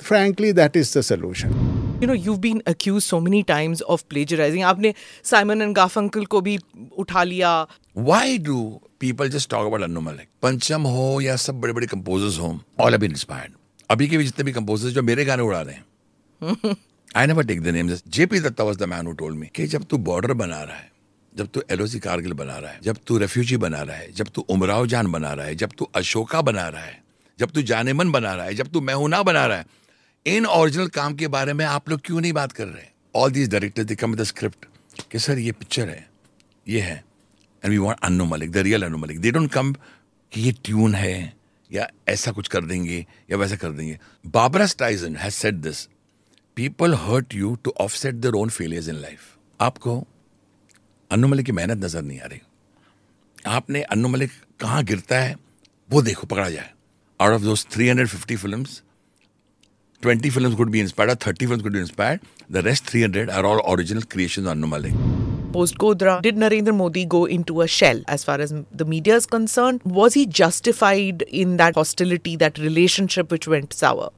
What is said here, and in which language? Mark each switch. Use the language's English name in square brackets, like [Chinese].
[English] Frankly, that is the solution. You know, you've been accused so many times of plagiarizing. [Hindi] Aapne Simon and Garfunkel ko bhi utha liya. [English] Why do people just talk about Annu Malik? [Hindi] Pancham ho ya sab bade bade composers ho, [English] all have been inspired. [Hindi] Abhi ke bhi jitne bhi composers jo mere gaane uda rahe hain. [English] I never take the names. [Hindi] J.P. [English] Datta was the man who told me [Hindi] कि जब तू border बना रहा है, जब तू LOC Kargil बना रहा है, जब तू refugee बना रहा है, जब तू उमराव जान बना रहा है, जब तू अशोका बना रहा है, जब तू जाने मन बना रहा है, जब तू मैहुना बना रहा है, इन original काम के बारे में आप लोग क्यों नहीं बात कर रहे? [English] All these directors they come with the script [Hindi] कि सर ये picture है, ये है, [English] and we want Annu Malik, the real Annu Malik. They don't come [Hindi] कि ये tune है या ऐसा कुछ कर देंगे या वैसा कर देंगे. [English] Barbara Streisand has said this. People hurt you to offset their own failures in life. [Hindi] आपको अन्नु मलिक की मेहनत नजर नहीं आ रही, आपने अन्नु मलिक कहाँ गिरता है वो देखो, पकड़ा जाए. [English] Out of those 350 films, 20 films could be inspired, 30 films could be inspired. The rest 300 are all original creations of Annu Malik. Post Godra, did Narendra Modi go into a shell as far as the media is concerned? Was he justified in that hostility, that relationship which went sour?